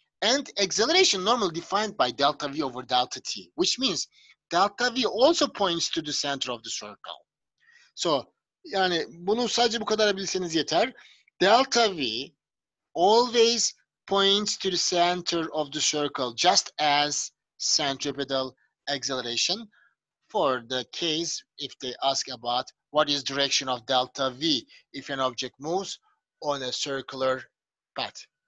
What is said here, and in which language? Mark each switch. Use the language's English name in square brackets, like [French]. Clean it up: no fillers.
[English] And acceleration normally defined by delta V over delta T, which means delta V also points to the center of the circle. [Turkish] So, yani bunu sadece bu kadar bilseniz yeter. [English] Delta V always points to the center of the circle, just as centripetal acceleration. For the case, if they ask about what is direction of delta V if an object moves on a circular path.